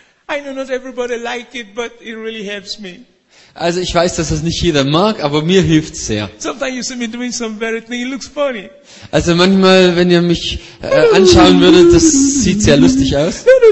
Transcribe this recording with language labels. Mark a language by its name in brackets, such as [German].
[English] I know not everybody like it, but it really helps me. [German] Also ich weiß, dass das nicht jeder mag, aber mir hilft es sehr. [English] Sometimes you see me doing some very thing, it looks funny. [German] Also manchmal, wenn ihr mich anschauen würdet, das sieht sehr lustig aus.